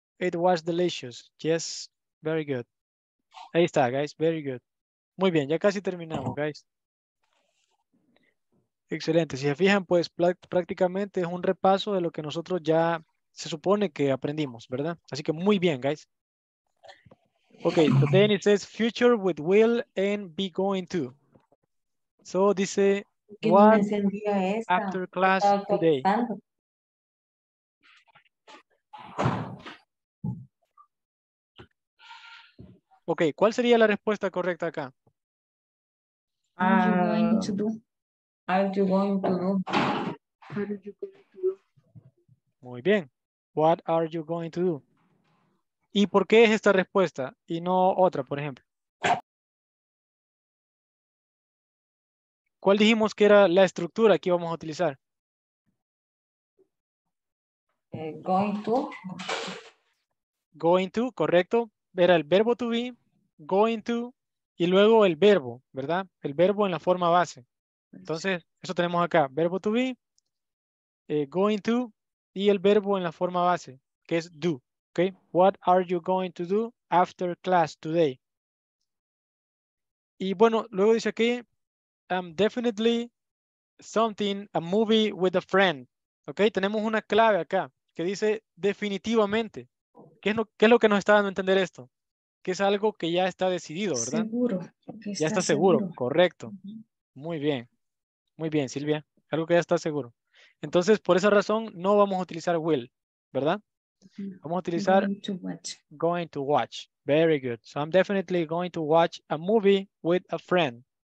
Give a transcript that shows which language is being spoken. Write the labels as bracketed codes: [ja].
[en] It was delicious. Yes, very good. [es] Ahí está, guys. [en] Very good. [es] Muy bien, ya casi terminamos, guys. Excelente. Si se fijan, pues prácticamente es un repaso de lo que nosotros ya se supone que aprendimos, ¿verdad? Así que muy bien, guys. [en] Ok, so then it says future with will and be going to. [es] So, dice... [en] What after class today? [es] Ok, ¿cuál sería la respuesta correcta acá? [en] What are you going to do? [es] Muy bien. [en] What are you going to do? [es] ¿Y por qué es esta respuesta y no otra, por ejemplo? ¿Cuál dijimos que era la estructura que íbamos a utilizar? [en] Going to, [es] correcto. Era el verbo to be, going to, y luego el verbo, ¿verdad? El verbo en la forma base. Entonces, eso tenemos acá, verbo to be, going to, y el verbo en la forma base, que es do. ¿Okay? [en] What are you going to do after class today? [es] Y bueno, luego dice aquí, [en] definitely something, a movie with a friend. [es] Ok, tenemos una clave acá que dice definitivamente. ¿Qué es lo que nos está dando a entender esto? Que es algo que ya está decidido, ¿verdad? Seguro. Ya está seguro, correcto. Uh-huh. Muy bien, Silvia. algo que ya está seguro. Entonces, por esa razón, no vamos a utilizar will, ¿verdad? Vamos a utilizar [en] going to watch. Very good. So I'm definitely going to watch a movie with a friend.